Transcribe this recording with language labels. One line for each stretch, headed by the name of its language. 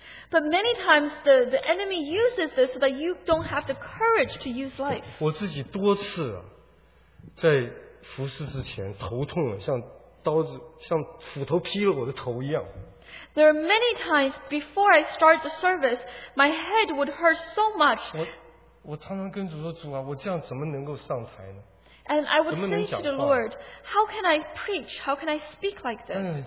English: But many times the enemy uses this so that you don't have the courage to use life.
Chinese: 我自己多次在服侍之前头痛了，像刀子像斧头劈了我的头一样。
English: There are many times before I start the service, my head would hurt so much.
Chinese: 我常常跟主说，主啊，我这样怎么能够上台呢？
English: And I would say to the Lord, how can I preach? How can I speak like this?